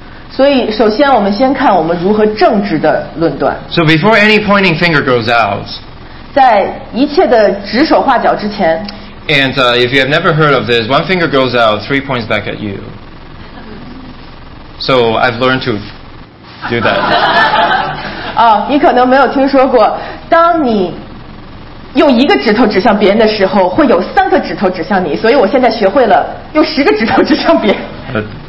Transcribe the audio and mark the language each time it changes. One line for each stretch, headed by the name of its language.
Chinese: 所以首先我们先看我们如何正直的论断。
English: So before any pointing finger goes out,
Chinese: 在一切的指手画脚之前。
English: And if you have never heard of this, one finger goes out, three points back at you. So I've learned to do that.
Chinese: 啊，你可能没有听说过，当你用一个指头指向别人的时候，会有三个指头指向你。所以我现在学会了用十个指头指向别人。